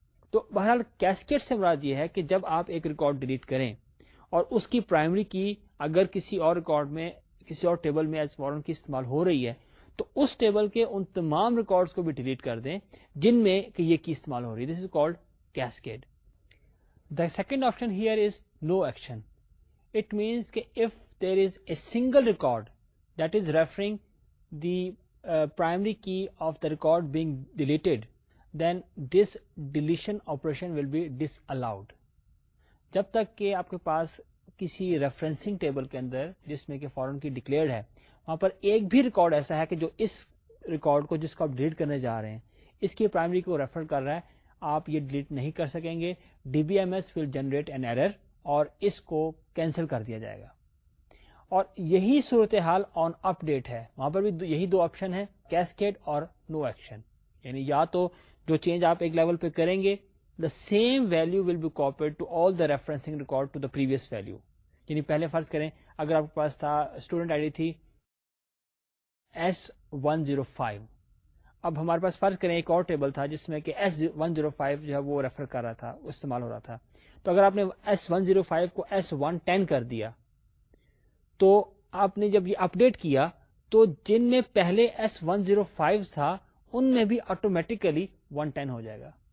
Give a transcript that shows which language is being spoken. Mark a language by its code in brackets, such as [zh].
[ur] تو بہرحال کیسکیڈ سے مراد یہ ہے کہ جب آپ ایک ریکارڈ ڈیلیٹ کریں اور اس کی پرائمری کی اگر کسی اور ریکارڈ میں کسی اور ٹیبل میں ایز فورن کی استعمال ہو رہی ہے تو اس ٹیبل کے ان تمام ریکارڈز کو بھی ڈیلیٹ کر دیں جن میں کہ یہ کی استعمال ہو رہی ہے. [en] This is called cascade. The second option here is no action. It means کہ if there is a single record that is referring the primary key of the record being deleted, then this deletion operation will be disallowed. [ur] جب تک کہ آپ کے پاس کسی referencing table کے اندر جس میں کہ فورن کی ڈکلیئرڈ ہے وہاں پر ایک بھی ریکارڈ ایسا ہے کہ جو اس ریکارڈ کو جس کو آپ ڈیلیٹ کرنے جا رہے ہیں اس کی پرائمری کو ریفر کر رہا ہے آپ یہ ڈیلیٹ نہیں کر سکیں گے. [en] D B M S will generate an error [ur] اور اس کو کینسل کر دیا جائے گا. اور یہی صورتحال آن اپ ڈیٹ ہے. وہاں پر بھی یہی دو آپشن ہیں کیسکیڈ اور نو ایکشن. یعنی یا تو جو چینج آپ ایک لیول پہ کریں گے [en] The same value will be copied to all the referencing record to the previous value. [ur] یعنی پہلے فرض کریں اگر آپ کے پاس تھا اسٹوڈنٹ آئی ڈی تھی S105 اب ہمارے پاس فرض کریں ایک اور ٹیبل تھا جس میں کہ S105 جو ہے وہ ریفر کر رہا تھا استعمال ہو رہا تھا. تو اگر آپ نے S105 کو S110 کر دیا تو آپ نے جب یہ اپڈیٹ کیا تو جن میں پہلے S105 تھا ان میں بھی آٹومیٹیکلی 110 ہو جائے گا.